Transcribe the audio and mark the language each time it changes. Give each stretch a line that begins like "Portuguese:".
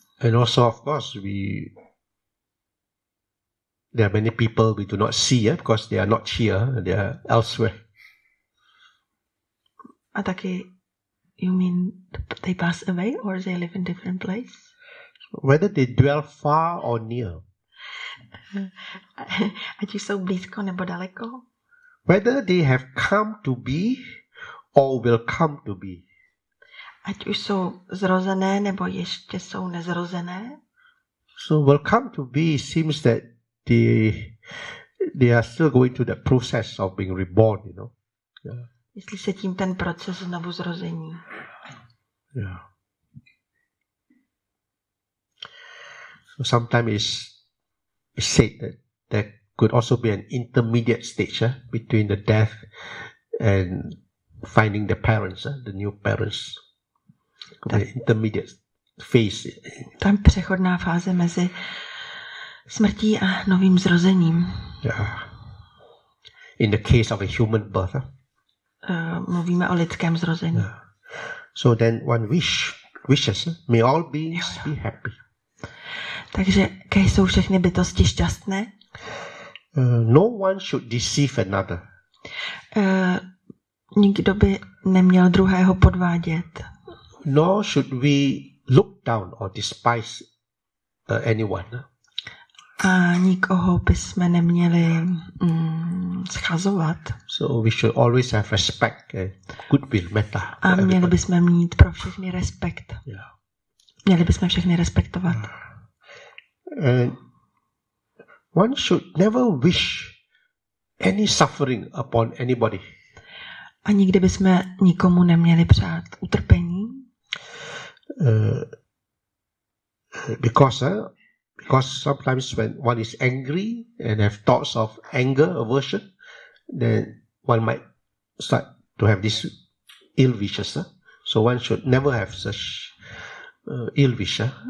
English: And also, of course, there are many people we do not see, because they are not here, they are elsewhere.
Czech: A taky,
English: you mean they pass away or they live in different place? Whether they dwell far or near.
Czech: Ať jsou blízko nebo daleko.
English: Whether they have come to be or will come to be.
Czech: Ať už jsou zrozené nebo ještě jsou nezrozené.
English: So will come to be seems that they are still going through the process of being reborn, you know.
Czech: Yeah. Jestli se tím ten proces znovu zrození.
English: Yeah. So sometimes it's said that there could also be an intermediate stage between the death and finding the parents, the new parents.
Czech: Ta,
English: intermediate phase.
Czech: Tam přechodná fáze mezi smrtí a novým zrozením.
English: Yeah. In the case of a human birth.
Czech: Mluvíme o lidském zrození.
English: Yeah. So then one wishes, may all beings be happy.
Czech: Takže kéž jsou všechny bytosti šťastné.
English: No one should deceive another.
Czech: Nikdo by neměl druhého podvádět.
English: Nor should we look down or despise anyone.
Czech: A nikoho bychom neměli schazovat.
English: So we should always have respect, goodwill, metta.
Czech: A měli bychom mít pro všechny respekt.
English: Yeah.
Czech: Měli bychom všechny respektovat.
English: And one should never wish any suffering upon anybody.
Czech: A nikdy bychom nikomu neměli přát utrpení.
English: Because sometimes when one is angry and have thoughts of anger, aversion, then one might start to have this ill wishes. So one should never have such ill wish.